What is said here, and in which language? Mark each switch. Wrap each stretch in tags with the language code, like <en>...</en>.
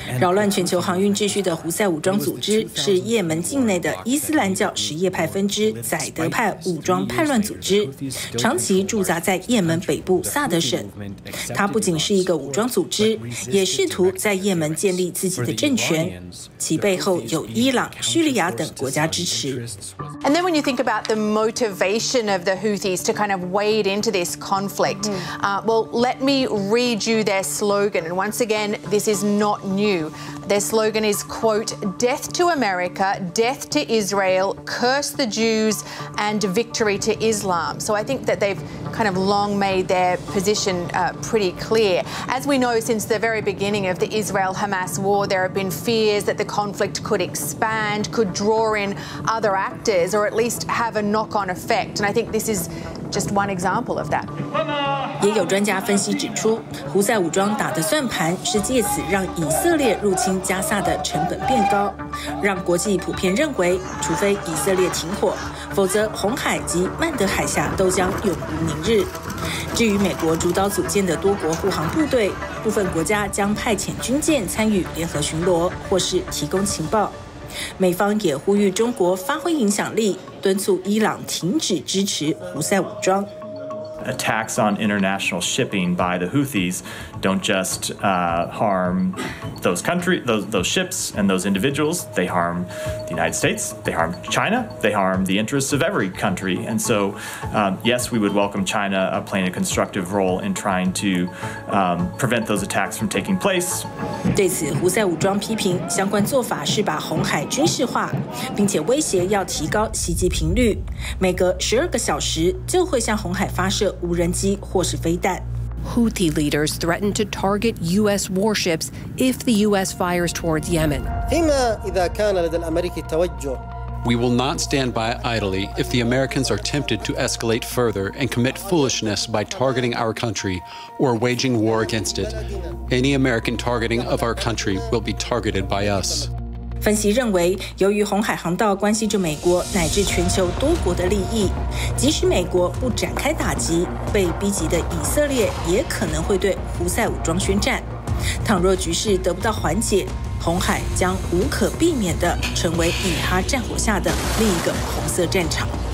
<zh>扰乱全球航运秩序的胡塞武装组织是也门境内的伊斯兰教什叶派分支载德派武装叛乱组织，长期驻扎在也门北部萨德省。它不仅是一个武装组织，也试图在也门建立自己的政权，其背后有伊朗、叙利亚等国家支持。</zh> <en>And then when you think about the motivation of the Houthis to kind of wade into this conflict,、well, let me read you their slogan. And once again, this is not new. Their slogan is, quote, death to America, death to Israel, curse the Jews, and victory to Islam. So I think that they've kind of long made their position、pretty clear. As we know, since the very beginning of the Israel-Hamas war, there have been fears that the conflict could expand, could draw in other actors,or at least have a knock-on effect. And I think this is just one example of that.</en> <zh>也有专家分析指出，胡塞武装打的算盘是借此让以色列入侵加萨的成本变高，让国际普遍认为，除非以色列停火，否则红海及曼德海峡都将永无宁日。至于美国主导组建的多国护航部队，部分国家将派遣军舰参与联合巡逻或是提供情报。美方也呼吁中国发挥影响力，敦促伊朗停止支持胡塞武装。</zh> <en>Attacks on international shipping by the Houthis don't just、harm those countries, those ships and those individuals. They harm the United States. They harm China. They harm the interests of every country. And so,、yes, we would welcome China、playing a constructive role in trying to、prevent those attacks from taking place.</en> <zh>对此，胡塞武装批评相关做法是把红海军事化，并且威胁要提高袭击频率，每隔十二个小时就会向红海发射。无人机或是飞弹。</zh> <en>Houthi leaders threaten to target U.S. warships if the U.S. fires towards Yemen. We will not stand by idly if the Americans are tempted to escalate further and commit foolishness by targeting our country or waging war against it. Any American targeting of our country will be targeted by us.</en> <zh>分析认为，由于红海航道关系着美国乃至全球多国的利益，即使美国不展开打击，被逼急的以色列也可能会对胡塞武装宣战。倘若局势得不到缓解，红海将无可避免地成为以哈战火下的另一个红色战场。</zh>